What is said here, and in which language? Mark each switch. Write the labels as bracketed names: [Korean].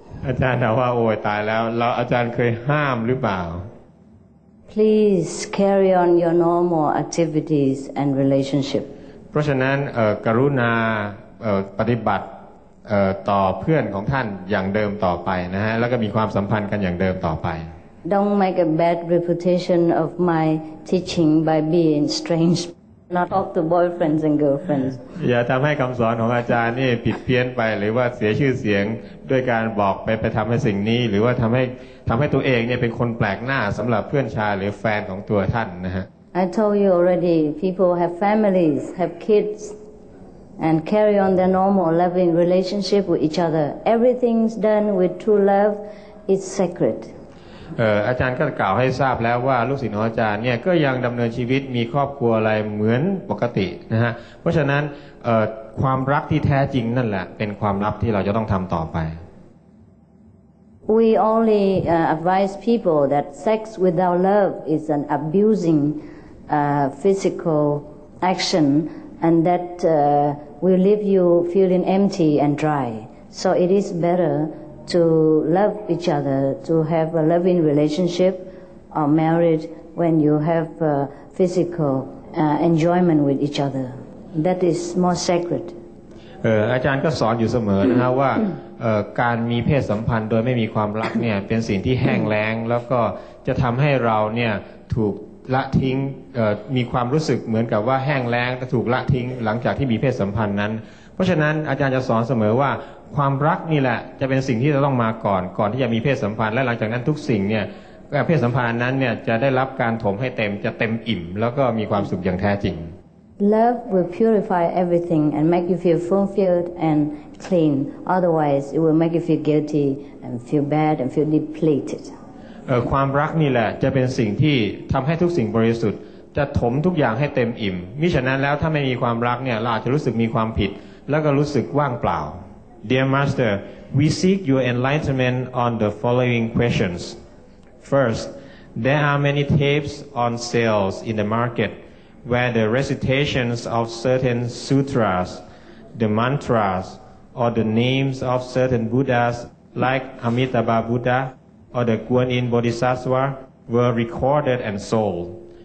[Thai] อาจารย์ถามว่าโอ้ยตายแล้วเราอาจารย์เคยห้ามหรือเปล่า [English] Please carry on your normal activities and relationship. [Thai] เพราะฉะนั้นกรุณาปฏิบัติต่อเพื่อนของท่านอย่างเดิมต่อไปนะฮะแล้วก็มีความสัมพันธ์กันอย่างเดิมต่อไป [English] Don't make a bad reputation of my teaching by being strange not talk to boyfriends and girlfriends [Thai] อย่าทำให้คำสอนของอาจารย์นี่ผิดเพี้ยนไปหรือว่าเสียชื่อเสียงด้วยการบอกไปทำให้สิ่งนี้หรือว่าทำให้ตัวเองเนี่ยเป็นคนแปลกหน้าสำหรับเพื่อนชายหรือแฟนของตัวท่านนะฮะ [English] I told you already, people have families, have kids, and carry on their normal loving relationship with each other. Everything's done with true love, it's sacred. [Thai] อาจารย์ก็กล่าวให้ทราบแล้วว่าลูกศิษย์ของอาจารย์เนี่ยก็ยังดำเนินชีวิตมีครอบครัวอะไรเหมือนปกตินะฮะเพราะฉะนั้นความรักที่แท้จริงนั่นแหละเป็นความลับที่เราจะต้องทำต่อไป [English] We only advise people that sex without love is an abusing physical action and that will leave you feeling empty and dry so it is betterTo love each other, to have a loving relationship or marriage when you have physical enjoyment with each other. That is more sacred. [Thai] อาจารย์ก็สอนอยู่เสมอนะฮะว่าการมีเพศสัมพันธ์โดยไม่มีความรักเนี่ยเป็นสิ่งที่แห้งแล้งแล้วก็จะทำให้เราเนี่ยถูกละทิ้งมีความรู้สึกเหมือนกับว่าแห้งแล้งถูกละทิ้งหลังจากที่มีเพศสัมพันธ์นั้นเพราะฉะนั้นอาจารย์จะสอนเสมอว่าความรักนี่แหละจะเป็นสิ่งที่จะต้องมาก่อนที่จะมีเพศสัมพันธ์และหลังจากนั้นทุกสิ่งเนี่ยเพศสัมพันธ์นั้นเนี่ยจะได้รับการถมให้เต็มจะเต็มอิ่มแล้วก็มีความสุขอย่างแท้จริง [English] Love will purify everything and make you feel fulfilled and clean otherwise it will make you feel guilty and feel bad and feel depleted [Thai] ความรักนี่แหละจะเป็นสิ่งที่ทำให้ทุกสิ่งบริสุทธิ์จะถมทุกอย่างให้เต็มอิ่มมิฉะนั้นแล้วถ้าไม่มีความรักเนี่ยเราอาจจะรู้สึกมีความผิดแล้วก็รู้สึกว่างเปล่า [English] Dear Master, we seek your enlightenment on the following questions. First, there are many tapes on sales in the market where the recitations of certain sutras, the mantras, or the names of certain Buddhas like Amitabha Buddha or the Guan Yin Bodhisattva were recorded and sold.